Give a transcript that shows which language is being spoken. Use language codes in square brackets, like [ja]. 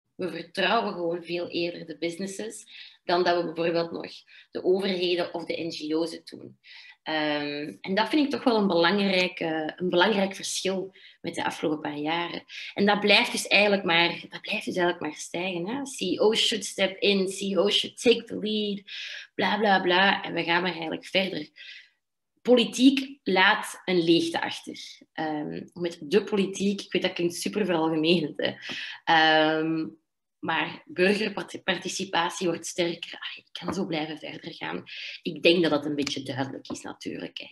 [nl] We vertrouwen gewoon veel eerder de businesses dan dat we bijvoorbeeld nog de overheden of de NGO's het doen. En dat vind ik toch wel een belangrijk verschil met de afgelopen paar jaren. En dat blijft dus eigenlijk maar stijgen. Hè? [en] CEO's should step in, CEO's should take the lead, bla bla bla. [nl] En we gaan maar eigenlijk verder. Politiek laat een leegte achter. Met de politiek, ik weet dat klinkt super veralgemenend, hè. Maar burgerparticipatie wordt sterker. Ach, ik kan zo blijven verder gaan. Ik denk dat dat een beetje duidelijk is natuurlijk.